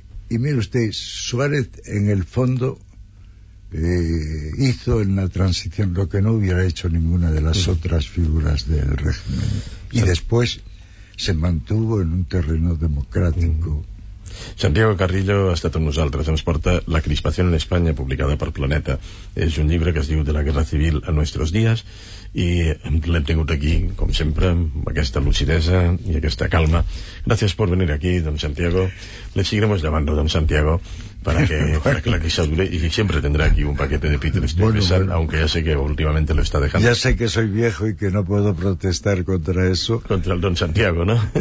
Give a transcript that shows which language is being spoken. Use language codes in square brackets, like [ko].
[es] Y mire usted, Suárez en el fondo hizo en la transición lo que no hubiera hecho ninguna de las otras figuras del régimen. Y después se mantuvo en un terreno democrático. [ca] Santiago Carrillo ha estat amb nosaltres. Ens porta La crispación en España, publicada per Planeta. És un llibre que es diu De la guerra civil a nuestros días, i l'hem tingut aquí, com sempre, amb aquesta lucidesa i aquesta calma. Gràcies per venir aquí, don Santiago. [es] Le seguiremos llamando, don Santiago, para que la crisis dure, y siempre tendrá aquí un paquete de Peter Stuyvesant, aunque ya sé que últimamente lo está dejando. Ya sé que soy viejo y que no puedo protestar contra eso. Contra el don Santiago, ¿no?